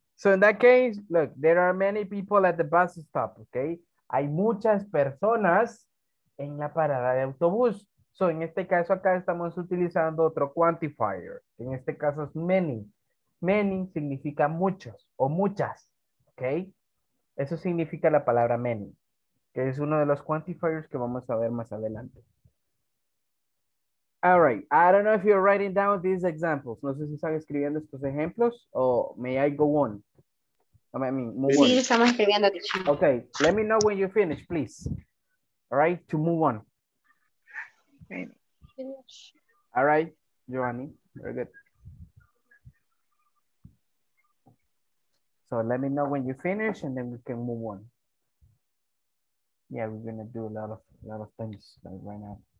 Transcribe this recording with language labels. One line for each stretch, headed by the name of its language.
English: So in that case, look, there are many people at the bus stop. Okay.
Spanish: Hay muchas personas en la parada de autobús. So, en este caso acá estamos utilizando otro quantifier. En este caso es many. Many significa muchos o muchas, ¿ok? Eso significa la palabra many, que es uno de los quantifiers que vamos a ver más adelante.
English: All right, I don't know if you're writing down these examples.
Spanish: No sé si están escribiendo estos ejemplos o
English: may I go on. Move
Spanish: on. Sí, estamos escribiendo.
English: Ok, let me know when you finish, please. All right, to move on. Finish. All right, Giovanni, very good. So let me know when you finish and then we can move on. Yeah, we're gonna do a lot of things right now.